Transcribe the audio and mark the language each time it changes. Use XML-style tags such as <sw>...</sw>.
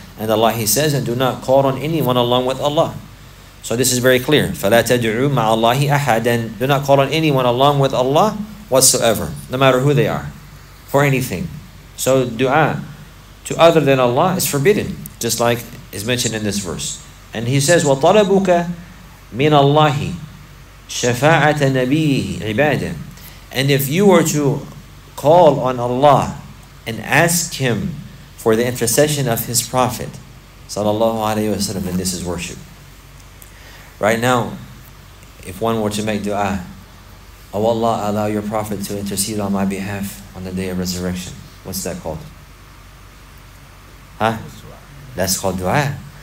<en>And Allah, He says, and do not call on anyone along with Allah. So this is very clear.</en> <ar>فَلَا تَدْعُوا مَعَ اللَّهِ أَحَدًا.</ar> <en>Do not call on anyone along with Allah whatsoever, no matter who they are, for anything. So dua to other than Allah is forbidden, just like is mentioned in this verse. And he says,</en> <ar>وَطَلَبُكَ مِنَ اللَّهِ شَفَاعَةَ نَبِيهِ عِبَادًا.</ar> <en>And if you were to call on Allah and ask Him for the intercession of His Prophet sallallahu alayhi wa sallam, then this is worship. Right now, if one were to make dua, oh Allah, allow Your Prophet to intercede on my behalf on the day of resurrection. What's that called? Huh? That's called dua.</en>